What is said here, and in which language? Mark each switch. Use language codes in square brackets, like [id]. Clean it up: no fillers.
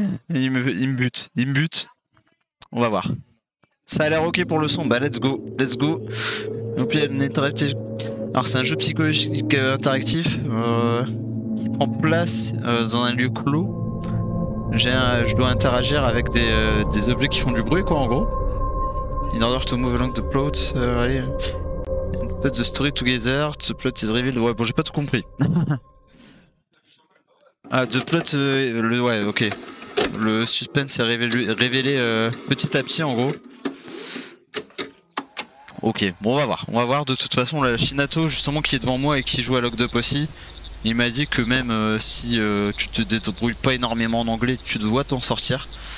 [fr] il me bute. On va voir. Ça a l'air ok pour le son. Bah, [en] let's go. [fr] Et puis, alors c'est un jeu psychologique interactif qui prend place dans un lieu clos. Je dois interagir avec des objets qui font du bruit quoi en gros. [en] In order to move along the plot, allez. And put the story together, the plot is revealed. [fr] Ouais bon j'ai pas tout compris. Ah [en] the plot, [fr] ouais ok. Le suspense est révélé petit à petit en gros. Ok, bon on va voir, de toute façon là, Shinato justement qui est devant moi et qui joue à Lockdown aussi, il m'a dit que même si tu te débrouilles pas énormément en anglais, tu dois t'en sortir.